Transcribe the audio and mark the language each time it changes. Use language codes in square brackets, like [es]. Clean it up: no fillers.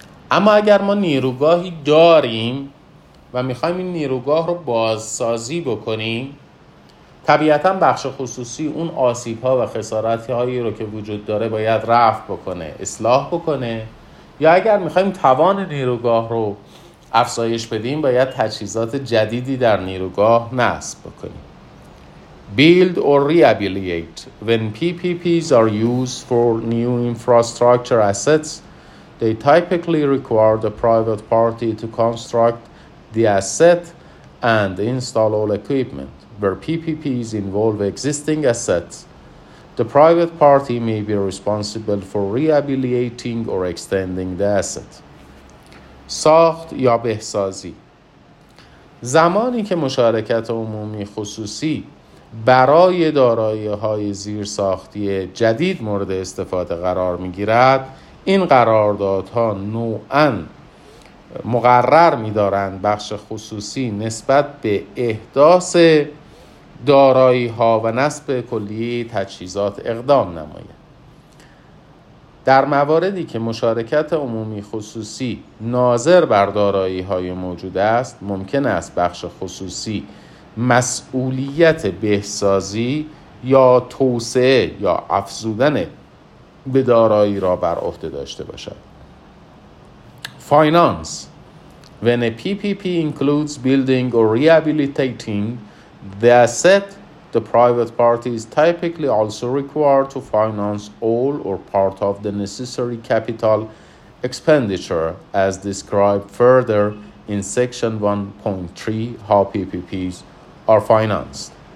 [fa] اما اگر ما نیروگاهی داریم و میخوایم این نیروگاه رو بازسازی بکنیم, طبیعتاً بخش خصوصی اون آسیب‌ها و خسارتی‌هایی رو که وجود داره باید رفع بکنه, اصلاح بکنه. یا اگر میخوایم توان نیروگاه رو افزایش بدیم, باید تجهیزات جدیدی در نیروگاه نصب بکنیم. [en] Build or rehabilitate when PPPs are used for new infrastructure assets, they typically require the private party to construct the asset and install all equipment. Where PPPs involve existing assets, the private party may be responsible for rehabilitating or extending the asset. [fa] ساخت یا بهسازی. زمانی که مشارکت عمومی خصوصی برای دارایی‌های زیرساختی جدید مورد استفاده قرار می‌گیرد, این قراردادها نوعاً مقرر می‌دارند بخش خصوصی نسبت به احداث دارایی ها و نصب کلیه تجهیزات اقدام نماید. در مواردی که مشارکت عمومی خصوصی ناظر بر دارایی های موجود است، ممکن است بخش خصوصی مسئولیت بهسازی یا توسعه یا افزودن به دارایی را بر عهده داشته باشد. [en] Finance: When a PPP includes building or rehabilitating the asset, the private party is typically also required to finance all or part of the necessary capital expenditure as described further in section 1.3 how PPPs are financed.